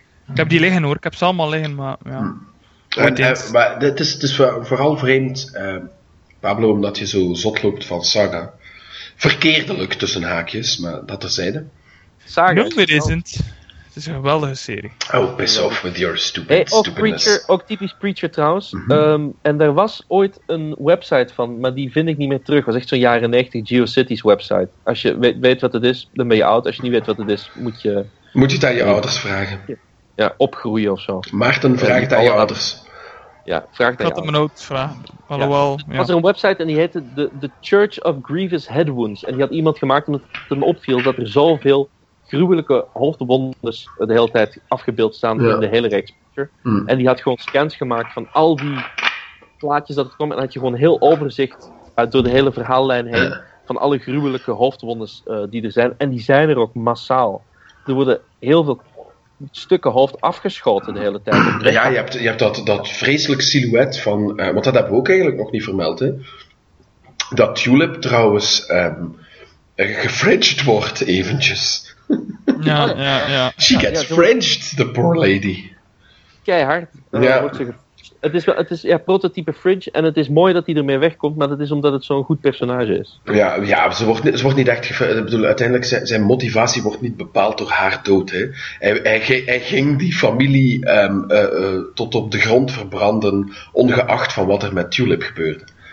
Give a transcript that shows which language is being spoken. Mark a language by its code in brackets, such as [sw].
[nl] Ik heb die liggen, hoor. Ik heb ze allemaal liggen, maar ja. Het is vooral vreemd, Pablo, omdat je zo zot loopt van Saga. Verkeerdelijk, tussen haakjes, maar dat terzijde. [en] Saga? No, it isn't. [nl] Het is een geweldige serie. [en] Oh, piss off with your stupid stupidness. [nl] Preacher, ook typisch Preacher trouwens. Mm-hmm. En er was ooit een website van, maar die vind ik niet meer terug. Het was echt zo'n jaren 90 GeoCities website. Als je weet wat het is, dan ben je oud. Als je niet weet wat het is, moet je... Moet je het aan je ouders vragen? Ja, opgroeien of zo. Maarten, vraag het aan je ouders. Ja, vraag het aan je ouders. Ik had hem ook vragen. Alhoewel, ja. Was er een website en die heette The Church of Grievous Head Wounds. En die had iemand gemaakt omdat het hem opviel dat er zoveel gruwelijke hoofdwondes de hele tijd afgebeeld staan in de hele reeks. Mm. En die had gewoon scans gemaakt van al die plaatjes dat er kwam. En had je gewoon heel overzicht door de hele verhaallijn heen van alle gruwelijke hoofdwondes die er zijn. En die zijn er ook massaal. Er worden heel veel stukken hoofd afgeschoten de hele tijd. Ja, je hebt dat vreselijk silhouet van... want dat hebben we ook eigenlijk nog niet vermeld, hè. Dat Tulip trouwens gefringed wordt eventjes. Ja. [en] She gets fringed, the poor lady. [nl] Keihard. Het is prototype fringe en het is mooi dat hij ermee wegkomt, maar dat is omdat het zo'n goed personage is. Ja, ze wordt niet echt gefringed. Ik bedoel, uiteindelijk zijn motivatie wordt niet bepaald door haar dood. Hè. Hij ging die familie tot op de grond verbranden, ongeacht van wat er met Tulip gebeurde.